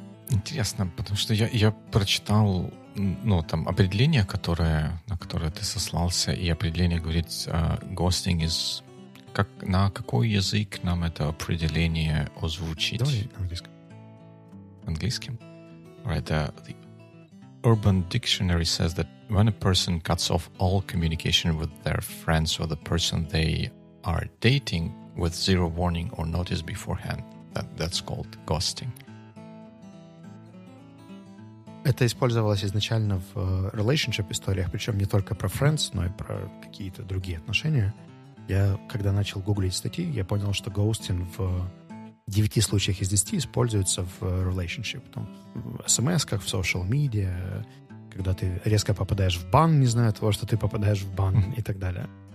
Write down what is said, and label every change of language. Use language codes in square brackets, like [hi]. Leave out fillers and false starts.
[ru] Интересно, потому что я прочитал, ну, там, определение, которое, на которое ты сослался, и определение говорит [en] «Ghosting is...» [ru] Как, на какой язык нам это определение озвучить? Давай на английском. Английским? [en] Right, the Urban Dictionary says that when a person cuts off all communication with their friends or the person they are dating with zero warning or notice beforehand, that's called ghosting. [ru] Это использовалось изначально в relationship историях, причем не только про friends, но и про какие-то другие отношения. Я, когда начал гуглить статьи, я понял, что ghosting в 9 случаях из 10 используется в relationship. Там, в смс-ках, в social media, когда ты резко попадаешь в бан, не зная того, что ты попадаешь в бан, и так далее.